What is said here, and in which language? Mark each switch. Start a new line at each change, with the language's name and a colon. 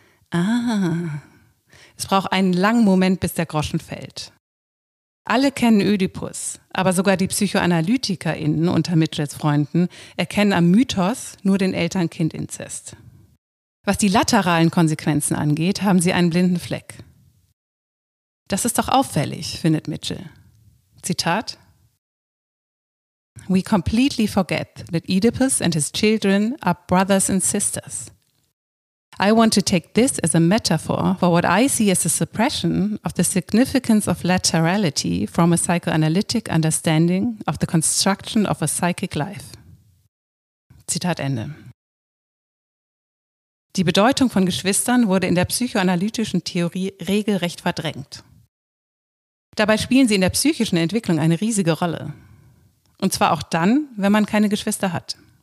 German: Ah, es braucht einen langen Moment, bis der Groschen fällt. Alle kennen Ödipus, aber sogar die PsychoanalytikerInnen unter Mitchells Freunden erkennen am Mythos nur den Eltern-Kind-Inzest. Was die lateralen Konsequenzen angeht, haben sie einen blinden Fleck. Das ist doch auffällig, findet Mitchell. Zitat:
English: We completely forget that Oedipus and his children are brothers and sisters. I want to take this as a metaphor for what I see as a suppression of the significance of laterality from a psychoanalytic understanding of the construction of a psychic life.
German: Zitat Ende. Die Bedeutung von Geschwistern wurde in der psychoanalytischen Theorie regelrecht verdrängt. Dabei spielen sie in der psychischen Entwicklung eine riesige Rolle. Und zwar auch dann, wenn man keine Geschwister hat.